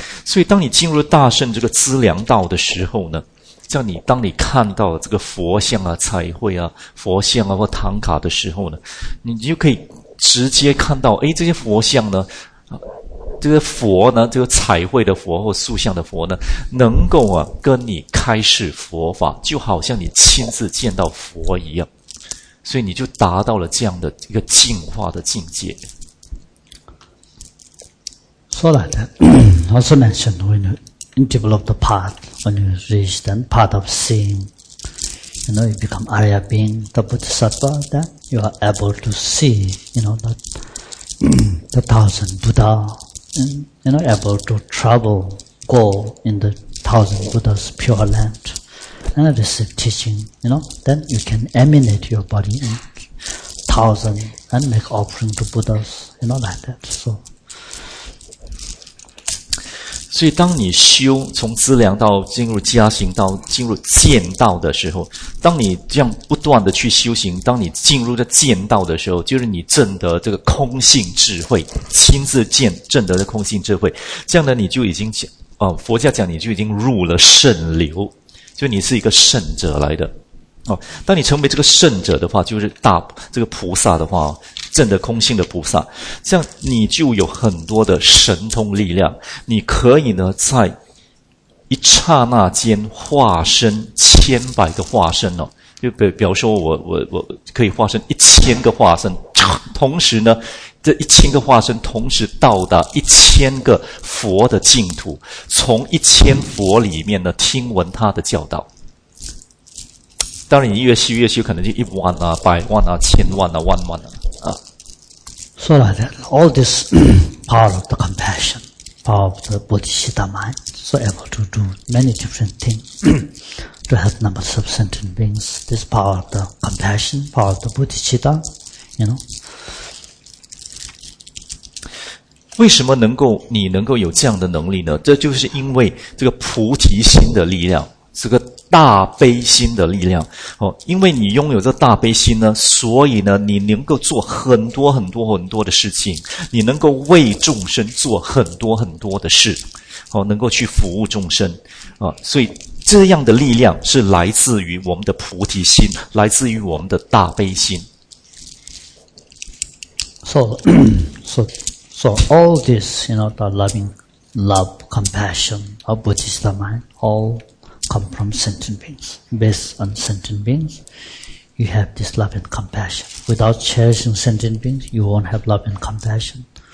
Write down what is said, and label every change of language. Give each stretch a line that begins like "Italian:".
Chinese: 所以当你进入大圣这个资粮道的时候呢，像你当你看到这个佛像啊、彩绘啊、佛像啊或唐卡的时候呢，你就可以直接看到，诶，这些佛像呢，这个佛呢，这个彩绘的佛或塑像的佛呢，能够啊跟你开示佛法，就好像你亲自见到佛一样，所以你就达到了这样的一个净化的境界。
English: So like that, also mentioned when you develop the path, when you reach the part of seeing, you know, you become Arya being, the Bodhisattva, then you are able to see, you know, the thousand Buddha. And, you know, able to travel, go in the thousand Buddha's pure land, and receive teaching, you know, then you can emanate your body in thousand and make offering to Buddhas, you know, like that, so.
Chinese: 所以当你修从资粮道进入加行道进入见道的时候，当你这样不断的去修行，当你进入的见道的时候，就是你证得这个空性智慧，亲自见证得的空性智慧，这样呢你就已经佛教讲你就已经入了圣流，就你是一个圣者来的。哦，当你成为这个圣者的话，就是大这个菩萨的话，证得空性的菩萨，这样你就有很多的神通力量，你可以呢在一刹那间化身千百个化身哦，就比方说我可以化身一千个化身，同时呢，这一千个化身同时到达一千个佛的净土，从一千佛里面呢听闻他的教导。当然你越修越修，可能就一万啊、百万啊、千万啊、万万啊。
English: So like that, all this power of the compassion, power of the Bodhisattva mind, so able to do many different things, to help number of sentient beings, this power of the compassion, power of the Bodhisattva, you know.
Chinese: 为什么你能够有这样的能力呢？这就是因为这个菩提心的力量，这个大悲心的力量，哦，因为你拥有这大悲心呢，所以呢，你能够做很多很多很多的事情，你能够为众生做很多很多的事，哦，能够去服务众生，哦，所以这样的力量是来自于我们的菩提心，来自于我们的大悲心。
English: So all this, you know, the loving, love, compassion, of Buddhist mind, all. Come from sentient beings. Based on sentient beings, you have this love and compassion. Without cherishing sentient beings, you won't have love and compassion.